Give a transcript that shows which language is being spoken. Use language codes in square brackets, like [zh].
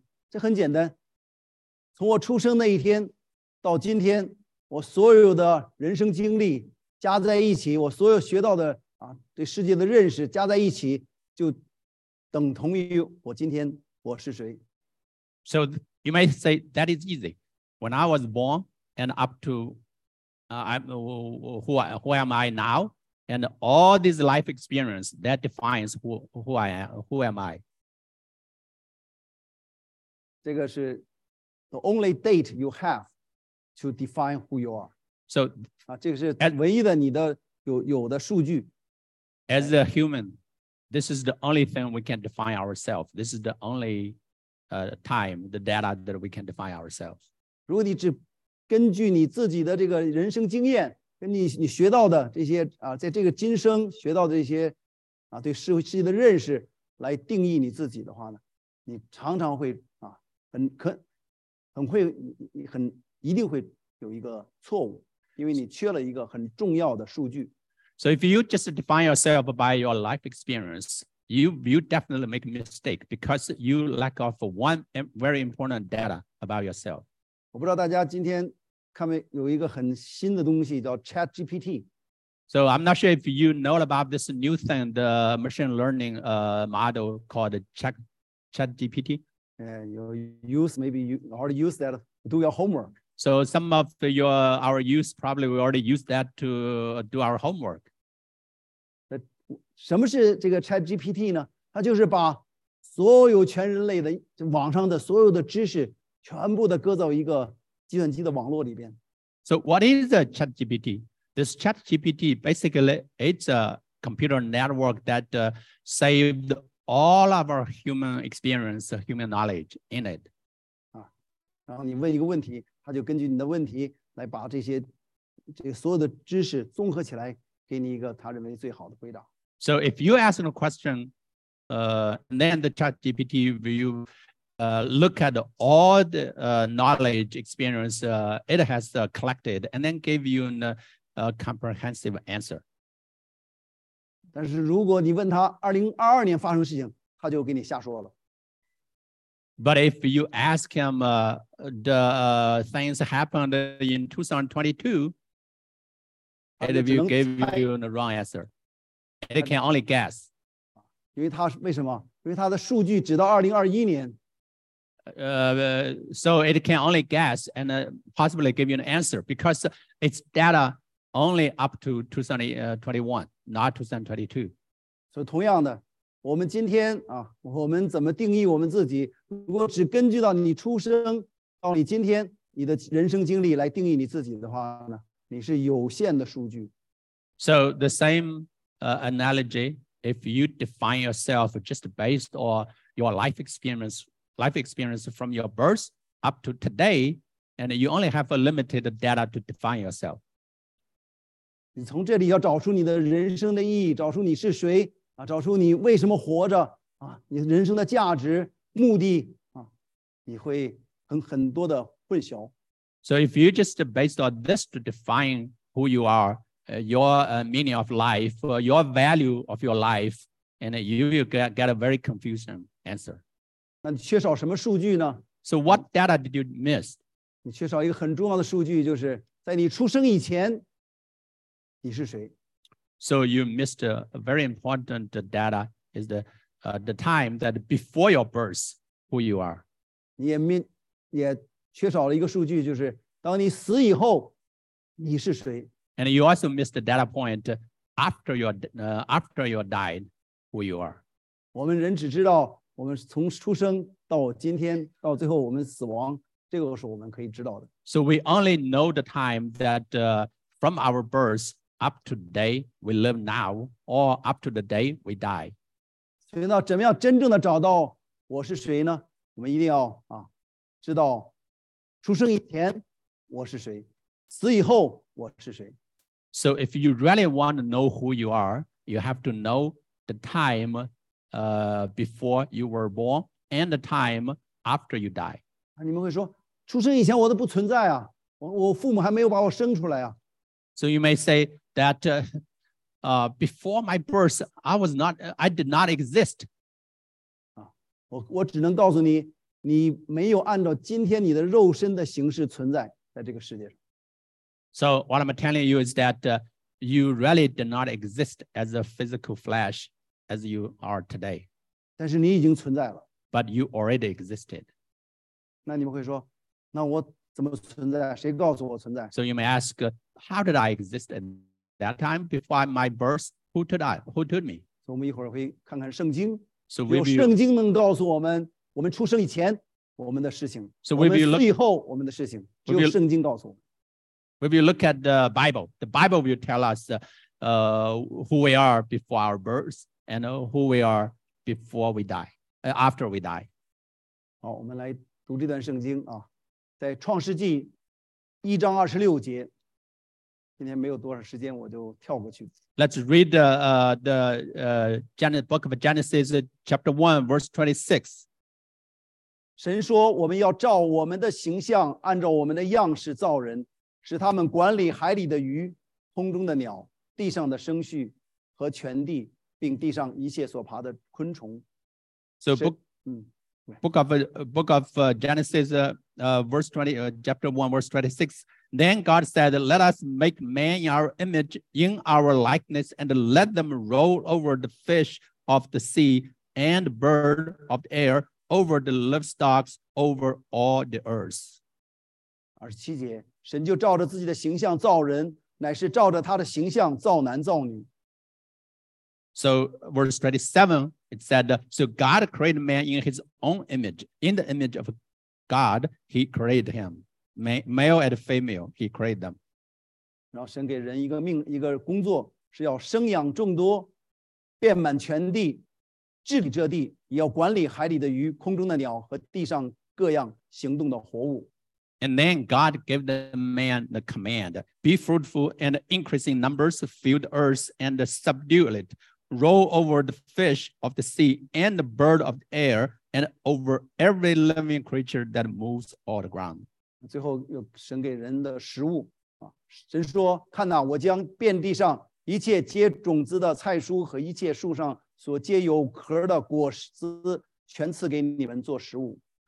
[zh] 这很简单，从我出生那一天到今天，我所有的人生经历加在一起，我所有学到的对世界的认识加在一起，就等同于我今天我是谁。 [en] So you may say that is easy. When I was born and up towho am I now? And all this life experience that defines who I am. Who am I? [zh] 这个是 [en] the only date you have to define who you are. So [zh] 这个是唯一的你的有的数据。 [en] As a human, This is the only thing we can define ourselves. This is the only time, the data that we can define ourselves. [zh] 如果你只根据你自己的这个人生经验，跟你学到的这些啊，在这个今生学到的这些啊，对世界的认识来定义你自己的话呢，你常常会啊，很一定会有一个错误，因为你缺了一个很重要的数据。 [en] So if you just define yourself by your life experience, you definitely make a mistake because you lack of one very important data about yourself. [zh] 我不知道大家今天看没有一个很新的东西叫 ChatGPT。 [en] So I'm not sure if you know about this new thing, the machine learning model called ChatGPT. You use, maybe you already use that to do your homework. So some of our youth probably we already use that to do our homework. [zh] 什么是这个 ChatGPT 呢？它就是把所有全人类的网上的所有的知识全部的搁到一个计算机的网络里边。 [en] So what is a ChatGPT? This ChatGPT basically it's a computer network that saved all of our human experience, human knowledge in it. [zh] 啊，然后你问一个问题，它就根据你的问题来把这些所有的知识综合起来，给你一个他认为最好的回答。 [en] So if you ask a question, then the ChatGPT will look at all the knowledge experience it has collected and then give you a comprehensive answer. [zh] 但是如果你问他2022年发生事情，他就给你瞎说了。 [en] But if you ask him the things happened in 2022, it will give you the wrong answer. It can only guess. [zh] 因为他为什么？因为他的数据只到2021年。 [en] So it can only guess and possibly give you an answer because its data. Only up to 2021, not 2022. [zh] So, 同样的，我们今天啊，我们怎么定义我们自己？如果只根据到你出生到你今天你的人生经历来定义你自己的话呢，你是有限的数据。 [en] So the same analogy, if you define yourself just based on your life experience from your birth up to today, and you only have a limited data to define yourself. [zh] 你从这里要找出你的人生的意义，找出你是谁啊，找出你为什么活着啊，你人生的价值、目的啊，你会很多的混淆。 [en] So if you just based on this to define who you are, your meaning of life, your value of your life, and you will get a very confusing answer. [zh] 那你缺少什么数据呢 [en] ？So what data did you miss? [zh] 你缺少一个很重要的数据，就是在你出生以前。你是谁 [en] ？So you missed a very important data is the time that before your birth, who you are. [zh] 你也缺少了一个数据，就是当你死以后，你是谁 [en] ？And you also missed the data point after you died, who you are. [zh] 我们人只知道我们从出生到今天到最后我们死亡，这个是我们可以知道的。 [en] So we only know the time that from our birth. Up to the day we live now, or up to the day we die. [zh] So, 那怎么样真正的找到我是谁呢？我们一定要啊，知道出生以前我是谁，死以后我是谁。 [en] So, if you really want to know who you are, you have to know the time, before you were born and the time after you die. [zh] 啊，你们会说，出生以前我都不存在啊，我父母还没有把我生出来啊。 [en] So you may say. That before my birth, I did not exist. [zh] 我只能告诉你，你没有按照今天你的肉身的形式存在在这个世界上。 [en] So what I'm telling you is that you really did not exist as a physical flesh as you are today. [zh] 但是你已经存在了。 [en] But you already existed. [zh] 那你们会说，那我怎么存在？谁告诉我存在 [en] ？So you may ask, how did I exist in? That time before my birth, who told me? So we [zh] 一会儿会看看圣经。 [en] So we [zh] 有圣经能告诉我们，我们出生以前我们的事情。 [en] So we [zh] 死以后我们的事情，只有圣经告诉我们。 [en] We will look at the Bible. The Bible will tell us, who we are before our birth, and who we are before we die, after we die. [zh] 好，我们来读这段圣经啊，在创世纪一章二十六节。今天没有多少时间，我就跳过去。 [en] Let's read the book of Genesis, chapter 1, verse 26. [zh] 神说：“我们要照我们的形象，按照我们的样式造人，使他们管理海里的鱼、空中的鸟、地上的牲畜和全地，并地上一切所爬的昆虫。” [en] So book, Genesis, chapter 1, verse 26. Then God said, let us make man in our image, in our likeness, and let them rule over the fish of the sea and bird of the air, over the livestock, over all the earth. [zh] 27节，神就照着自己的形象造人，乃是照着他的形象造男造女。 [en] So verse 27, it said, so God created man in his own image. In the image of God, he created him. Male and female, he created them. [zh] 然后神给人一个命，一个工作，是要生养众多，遍满全地，治理这地，也要管理海里的鱼、空中的鸟和地上各样行动的活物。 [en] And then God gave the man the command: be fruitful and increase in numbers, fill the earth and subdue it, rule over the fish of the sea and the bird of the air, and over every living creature that moves on the ground. [zh] 最后又神给人的食物、啊、神说看哪、啊、我将遍地上一切结种子的菜蔬和一切树上所结有壳的果子全赐给你们做食物。